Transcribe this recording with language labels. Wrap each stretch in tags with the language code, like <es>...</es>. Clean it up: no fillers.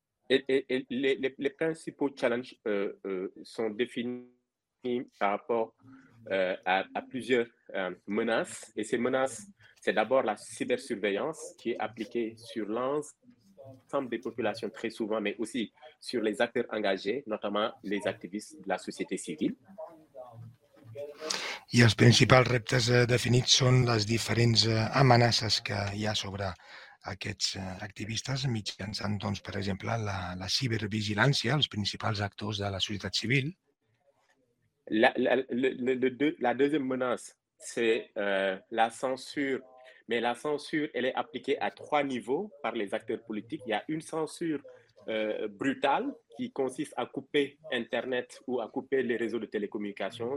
<fr>Les principaux challenges sont définis par rapport à plusieurs menaces. Et ces menaces, c'est d'abord la cybersurveillance qui est appliquée sur l'ensemble des populations très souvent, mais aussi sur les acteurs engagés, notamment les activistes de la société civile.</fr> <ca>I els principals reptes definits són les diferents amenaces que hi ha sobre aquests activistes mitjançant, doncs, per exemple, la cibervigilància, els principals actors de la societat civil.</ca> <fr>La deuxième menace, c'est la censure. Mais la censure, elle est appliquée à trois niveaux par les acteurs politiques. Il y a une censure brutale qui consiste à couper Internet ou à couper les réseaux de télécommunications.</fr>